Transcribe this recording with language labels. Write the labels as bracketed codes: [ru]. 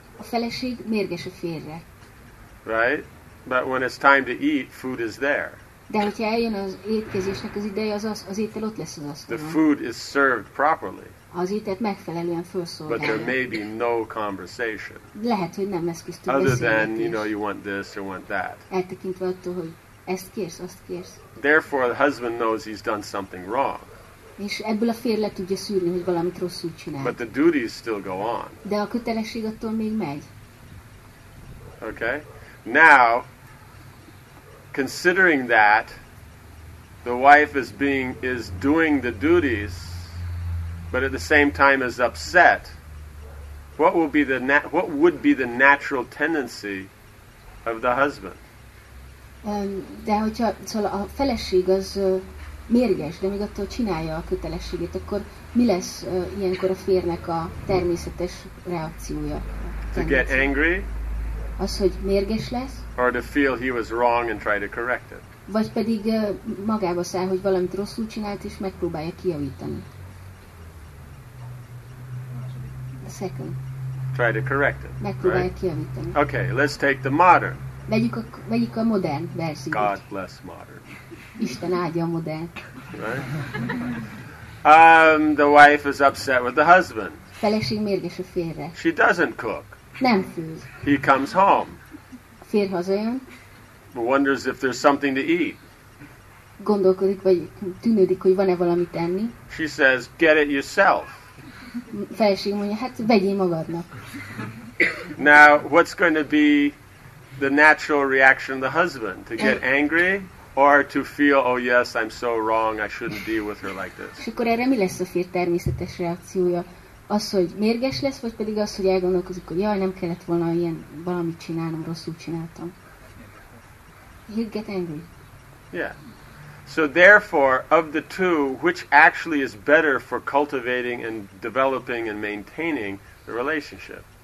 [hu] A feleség mérges a férjre. [en] Right? But when it's time to eat, food is there. [hu] De hogyha eljön az étkezésnek az ideje, az étel ott lesz az asztalon. [en] The food is served properly. [hu] Az ételt megfelelően felszolgálják. [en] But there may be no conversation. [hu] Lehet, hogy nem lesz köztük beszélgetés. [en] Other than, you know, you want this or want that. [hu] Eltekintve attól, hogy ezt kérsz, azt kérsz. [en] Therefore, the husband knows he's done something wrong. [hu] És ebből a férj le tudja szűrni, hogy valamit rosszul csinált. [en] But the duties still go on. [hu] De a kötelesség attól még megy. [en] Okay? Now, considering that, the wife is doing the duties, but at the same time is upset, what would be the natural tendency of the husband? [hu] De hogyha szóval a feleség az mérges, de még attól csinálja a kötelességét, akkor mi lesz ilyenkor a férnek a természetes reakciója? [en] To get angry? [hu] Az, hogy mérges lesz? [en] Or to feel he was wrong and try to correct it? [hu] Vagy pedig magába száll, hogy valamit rosszul csinált, és megpróbálja kijavítani. [en] A second. Try to correct it. [hu] Megpróbálja [en] right? [hu] kijavítani. [en] Okay, let's take the modern. [hu] Vegyük a modern verziót. [en] God bless modern. [hu] Isten áldja a modern. [en] Right? The wife is upset with the husband. [hu] Feleség mérges a férre. [en] She doesn't cook. [hu] Nem főz. [en] He comes home. [hu] Fér hazajön. [en] Wonders if there's something to eat. [hu] Gondolkodik, vagy tűnődik, hogy van-e valamit enni. [en] She says, get it yourself. [hu] Feleség mondja, hát vegyél magadnak. [en] Now, what's going to be the natural reaction of the husband? To get angry or to feel, oh yes, I'm so wrong, I shouldn't deal with her like this? [hu] És akkor erre mi lesz a fér természetes reakciója? Az, hogy mérges lesz, vagy pedig az, hogy elgondolkozik, hogy jaj, nem kellett volna ilyen valamit csinálnom, rosszul csináltam. [en] He'd get angry. Yeah. So therefore, of the two, which actually is better for cultivating and developing and maintaining the relationship?